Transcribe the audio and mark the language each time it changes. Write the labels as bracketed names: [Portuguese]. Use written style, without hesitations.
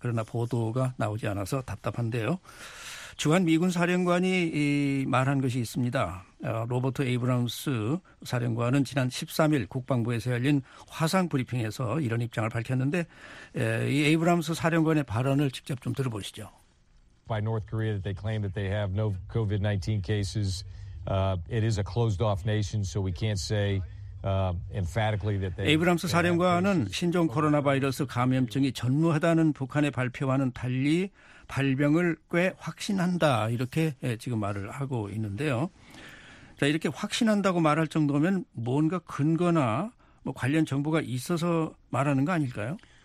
[Korean] 그러나 보도가 나오지 않아서 답답한데요. 주한 미군 사령관이 말한 것이 있습니다. 로버트 에이브람스 사령관은 지난 13일 국방부에서 열린 화상 브리핑에서 이런 입장을 밝혔는데 이 에이브람스 사령관의 발언을 직접 좀 들어보시죠. [English] By North Korea that they claim that they have no COVID-19 cases. It is a closed off nation so we can't say emphatically that they [Korean] 에이브람스 사령관은 신종 코로나 바이러스 감염증이 전무하다는 북한의 발표와는 달리 발병을 꽤 확신한다 이렇게 지금 말을 하고 있는데요. 자 이렇게 확신한다고 말할 정도면 뭔가 근거나 뭐 관련 정보가 있어서 말하는 거 아닐까요?